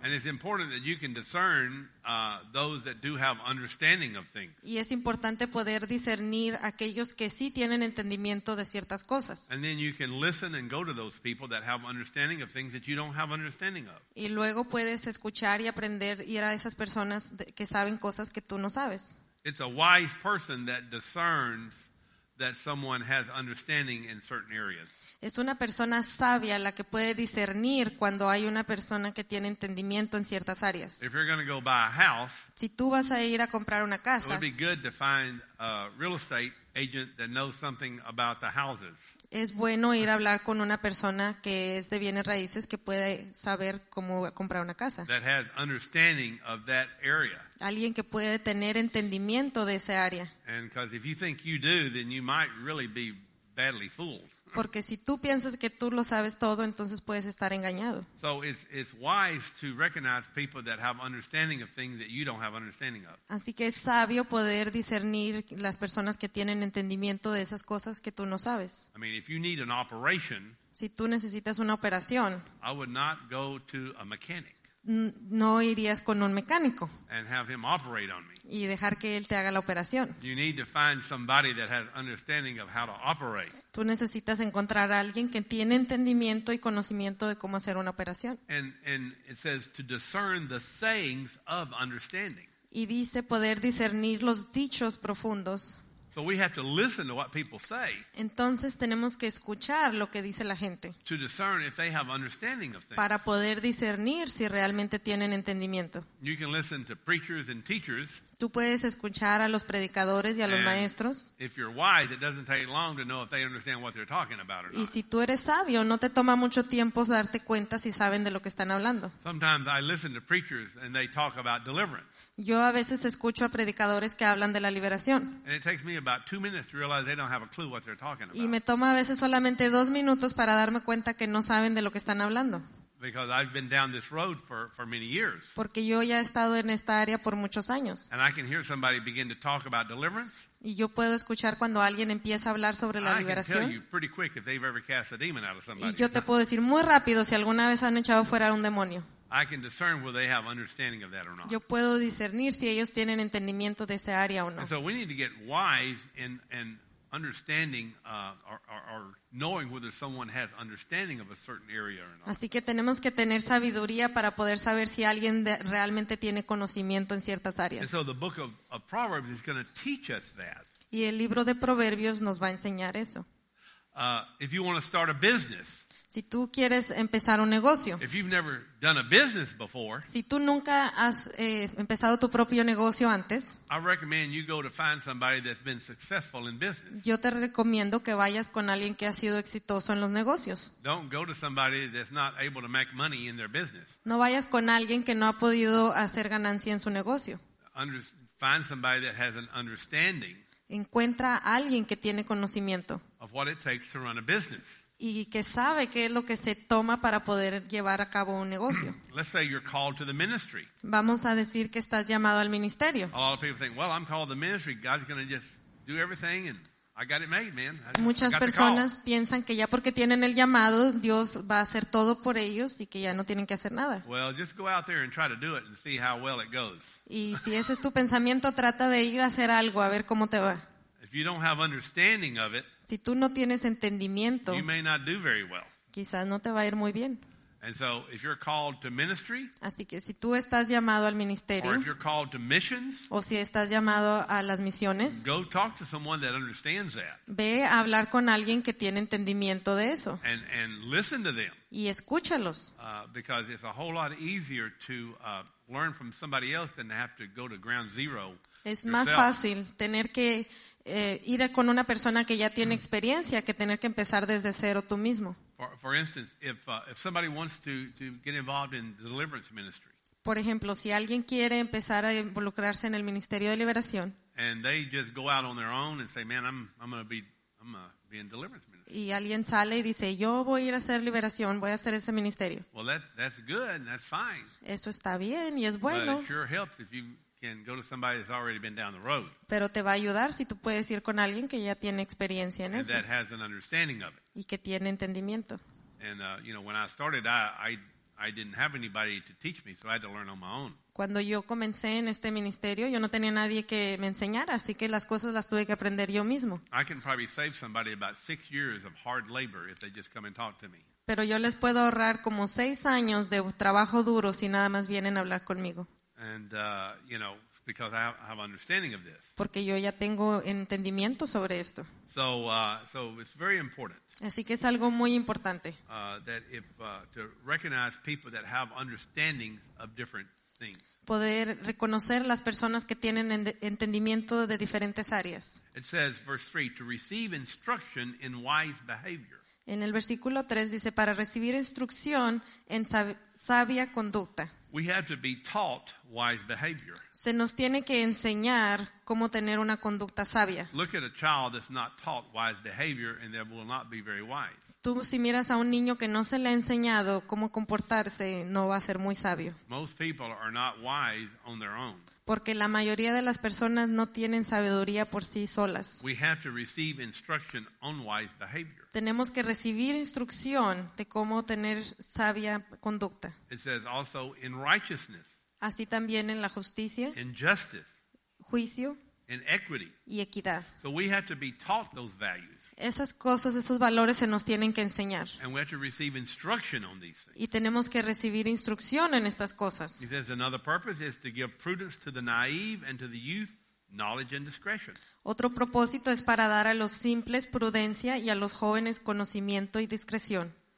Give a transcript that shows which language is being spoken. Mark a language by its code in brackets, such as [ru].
[en] And it's important that you can discern those that do have understanding of things. [es] Y es importante poder discernir aquellos que sí tienen entendimiento de ciertas cosas. [en] And then you can listen and go to those people that have understanding of things that you don't have understanding of. [es] Y luego puedes escuchar y aprender ir a esas personas que saben cosas que tú no sabes. [en] It's a wise person that discerns that someone has understanding in certain areas. [es] Es una persona sabia la que puede discernir cuando hay una persona que tiene entendimiento en ciertas áreas. [en] If you're going to go buy a house, [es] si tú vas a ir a comprar una casa, [en] it would be good to find a real estate agent that knows something about the houses. [es] Es bueno ir a hablar con una persona que es de bienes raíces que puede saber cómo comprar una casa. [en] That has understanding of that area. [es] Alguien que puede tener entendimiento de esa área. [en] And because if you think you do, then you might really be badly fooled. [es] Porque si tú piensas que tú lo sabes todo, entonces puedes estar engañado. [en] So it's wise to recognize people that have understanding of things that you don't have understanding of. [es] Así que es sabio poder discernir las personas que tienen entendimiento de esas cosas que tú no sabes. [en] I mean, if you need an operation, [es] si tú necesitas una operación, [en] I would not go to a mechanic. [es] No irías con un mecánico. [en] And have him operate on me. [es] Y dejar que él te haga la operación. [en] You need to find somebody that has understanding of how to operate. [es] Tú necesitas encontrar a alguien que tiene entendimiento y conocimiento de cómo hacer una operación. [en] And it says to discern the sayings of understanding. [es] Y dice poder discernir los dichos profundos. [en] So we have to listen to what people say. [es] Entonces tenemos que escuchar lo que dice la gente. [en] To discern if they have understanding of things. [es] Para poder discernir si realmente tienen entendimiento. [en] You can listen to preachers and teachers. [es] Tú puedes escuchar a los predicadores y a los maestros. [en] If you're wise, it doesn't take long to know if they understand what they're talking about or not. [es] Y si tú eres sabio, no te toma mucho tiempo darte cuenta si saben de lo que están hablando. [en] Sometimes I listen to preachers and they talk about deliverance. [es] Yo a veces escucho a predicadores que hablan de la liberación. [en] And it takes me about 2 minutes to realize they don't have a clue what they're talking about. [es] Y me toma a veces solamente 2 minutos para darme cuenta que no saben de lo que están hablando. [en] Because I've been down this road for many years. [es] Porque yo ya he estado en esta área por muchos años. [en] And I can hear somebody begin to talk about deliverance. [es] Y yo puedo escuchar cuando alguien empieza a hablar sobre la liberación. [en] I can tell you pretty quick if they've ever cast a demon out of somebody. [es] Y yo te puedo decir muy rápido si alguna vez han echado fuera un demonio. [en] I can discern whether they have understanding of that or not. [es] Yo puedo discernir si ellos tienen entendimiento de esa área o no. [en] And so we need to get wise in understanding or knowing whether someone has understanding of a certain area or not. [es] Así que tenemos que tener sabiduría para poder saber si alguien realmente tiene conocimiento en ciertas áreas. [en] And so the book of Proverbs is going to teach us that. [es] Y el libro de Proverbios nos va a enseñar eso. [en] If you want to start a business. [es] Si tú quieres empezar un negocio, [en] if you've never done a business before, [es] si tú nunca has empezado tu propio negocio antes, [en] I recommend you go to find somebody that's been successful in business. [es] Yo te recomiendo que vayas con alguien que ha sido exitoso en los negocios. [en] Don't go to somebody that's not able to make money in their business. [es] No vayas con alguien que no ha podido hacer ganancia en su negocio. [en] Find somebody that has an understanding. [es] Encuentra a alguien que tiene conocimiento [en] of what it takes to run a business. [es] Y que sabe qué es lo que se toma para poder llevar a cabo un negocio. [en] Let's say you're called to the ministry. [es] Vamos a decir que estás llamado al ministerio. [en] A lot of people think, well, I'm called to the ministry. God's going to just do everything and I got it made, man. [es] Muchas personas piensan que ya porque tienen el llamado, Dios va a hacer todo por ellos y que ya no tienen que hacer nada. [en] Well, just go out there and try to do it and see how well it goes. [es] Y si ese es tu pensamiento, trata de ir a hacer algo a ver cómo te va. [en] If you don't have understanding of it, [es] si tú no tienes entendimiento, [en] you may not do very well. [es] Quizás no te va a ir muy bien. [en] And so, if you're called to ministry, [es] así que si tú estás llamado al ministerio, [en] or if you're called to missions, [es] o si estás llamado a las misiones, [en] go talk to someone that understands that. [es] Ve a hablar con alguien que tiene entendimiento de eso. [en] And listen to them. [es] Y escúchalos. [en] Because it's a whole lot easier to learn from somebody else than to have to go to ground zero. [es] Es [en] yourself. [es] Más fácil tener que ir con una persona que ya tiene experiencia que tener que empezar desde cero tú mismo. [en] For instance, if somebody wants to get involved in deliverance ministry. [es] Por ejemplo, si alguien quiere empezar a involucrarse en el ministerio de liberación. [en] And they just go out on their own and say, "Man, I'm going to be in deliverance ministry." [es] Y alguien sale y dice, "Yo voy a ir a hacer liberación, voy a hacer ese ministerio." [en] Well, that's good and that's fine. [es] Eso está bien y es bueno. [en] But it sure helps if you can go to somebody that's already been down the road. [es] Pero te va a ayudar si tú puedes ir con alguien que ya tiene experiencia en eso. [en] And that has an understanding of it. [es] Y que tiene entendimiento. [en] And you know, when I started, I didn't have anybody to teach me, so I had to learn on my own. [es] Cuando yo comencé en este ministerio, yo no tenía nadie que me enseñara, así que las cosas las tuve que aprender yo mismo. [en] I can probably save somebody about 6 years of hard labor if they just come and talk to me. [es] Pero yo les puedo ahorrar como 6 años de trabajo duro si nada más vienen a hablar conmigo. [en] And you know, because I have understanding of this. [es] Porque yo ya tengo entendimiento sobre esto. [en] So it's very important. [es] Así que es algo muy importante. [en] That if to recognize people that have understandings of different things. [es] Poder reconocer las personas que tienen entendimiento de diferentes áreas. [en] It says verse 3, to receive instruction in wise behavior. [es] En el versículo 3 dice para recibir instrucción en sabia conducta. [en] We have to be taught wise behavior. [es] Se nos tiene que enseñar cómo tener una conducta sabia. [en] Look at a child that's not taught wise behavior and they will not be very wise. [es] Tú si miras a un niño que no se le ha enseñado cómo comportarse, no va a ser muy sabio. [en] Most people are not wise on their own. [es] Porque la mayoría de las personas no tienen sabiduría por sí solas. [en] We have to receive instruction on wise behavior. [es] Tenemos que recibir instrucción de cómo tener sabia conducta. [en] It says also in righteousness. [es] Así también en la justicia. [en] In justice. [es] Juicio. [en] In equity. [es] Y equidad. [en] So we have to be taught those values. [es] Esas cosas, esos valores se nos tienen que enseñar. [en] And we have to receive instruction on these things. [es] Y tenemos que recibir instrucción en estas cosas. [en] It says another purpose is to give prudence to the naive and to the youth knowledge and discretion. [es] Otro propósito es para dar a los simples prudencia y a los jóvenes conocimiento y discreción.